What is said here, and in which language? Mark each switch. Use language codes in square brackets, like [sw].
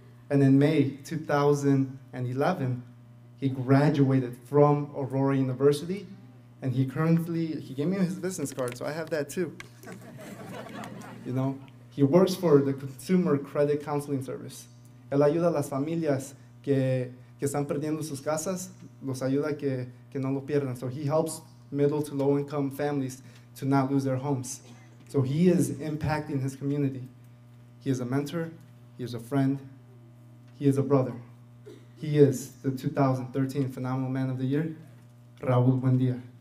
[en] And in May 2011, he graduated from Aurora University, and he gave me his business card, so I have that too. You know, he works for the Consumer Credit Counseling Service. [es] Él ayuda a las familias que están perdiendo sus casas, los ayuda que no lo pierdan. [en] So he helps middle to low income families to not lose their homes. So he is impacting his community. He is a mentor, he is a friend, he is a brother. He is the 2013 Phenomenal Man of the Year, RAUL BUENDIA.